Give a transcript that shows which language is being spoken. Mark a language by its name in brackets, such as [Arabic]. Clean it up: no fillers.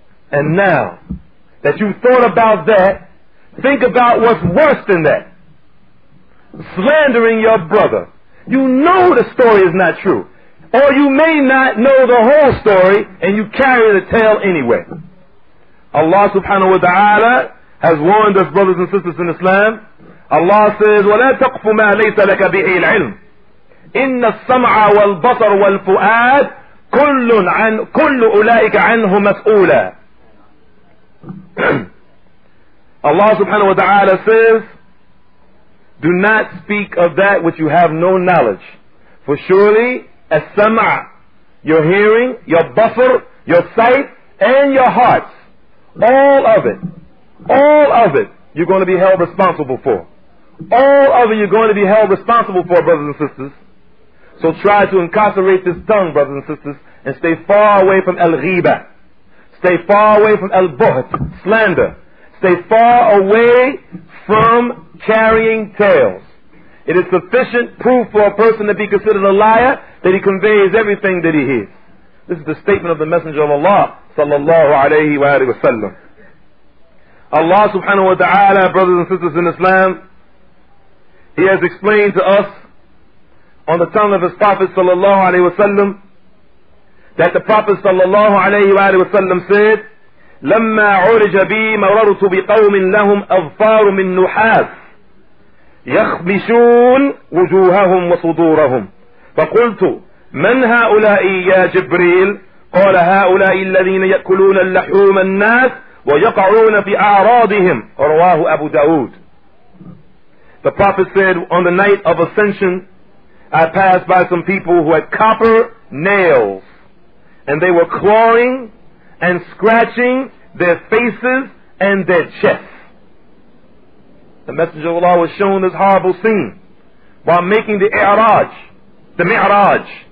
[English] And now that you've thought about that, think about what's worse than that. Slandering your brother. You know the story is not true. Or you may not know the whole story, and you carry the tale anyway. Allah subhanahu wa ta'ala has warned us, brothers and sisters in Islam. [Arabic] Allah says, وَلَا تَقْفُ مَا لَيْسَ لَكَ بِهِ الْعِلْمِ إِنَّ السَّمْعَ وَالْبَصَرُ وَالْفُؤَادِ كُلُّ أُولَٰئِكَ عَنْهُ مَسْئُولًا. [English] Allah subhanahu wa ta'ala says, do not speak of that which you have no knowledge. For surely, السَّمْعَ, your hearing, your basr, your sight, and your heart, All of it, you're going to be held responsible for. All of it you're going to be held responsible for, brothers and sisters. So try to incarcerate this tongue, brothers and sisters, and stay far away from al-ghiba. Stay far away from al-buhd, slander. Stay far away from carrying tales. It is sufficient proof for a person to be considered a liar that he conveys everything that he hears. This is the statement of the Messenger of Allah sallallahu alayhi wa alayhi wa sallam. Allah subhanahu wa ta'ala, brothers and sisters in Islam, He has explained to us on the tongue of His Prophet sallallahu alayhi wa sallam, that the Prophet sallallahu alayhi wa sallam said, [Arabic] لما عرج بي مررت بقوم لهم أظفار من نحاس يخمشون وجوههم وصدورهم فقلت من هؤلاء يا جبريل قال هؤلاء الذين يأكلون اللحوم الناس ويقعون في أعراضهم رواه أبو داود. [English] The prophet said, on the night of ascension I passed by some people who had copper nails and they were clawing and scratching their faces and their chests. The Messenger of Allah was shown this horrible scene while making the I'raj, the mi'raj.